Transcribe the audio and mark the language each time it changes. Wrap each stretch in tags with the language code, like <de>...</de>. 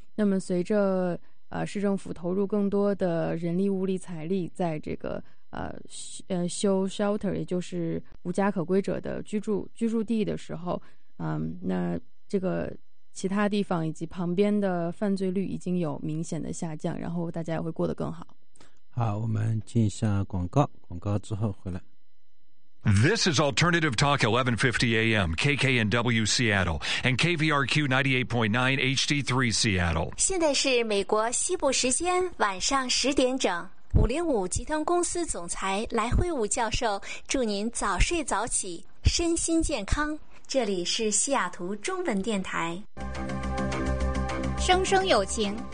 <zh>那么随着市政府投入更多的人力物力财力在这个修 shelter， 也就是无家可归者的居住地的时候，那这个其他地方以及旁边的犯罪率已经有明显的下降，然后大家也会过得更好。好，我们进一下广告，广告之后回来。</zh> <en>This is Alternative Talk 1150 AM, KKNW Seattle, and KVRQ 98.9 HD3 Seattle.</en> <zh>现在是美国西部时间晚上10:00。 505集团公司总裁来辉武教授祝您早睡早起，身心健康。这里是西雅图中文电台。声声有情。</zh>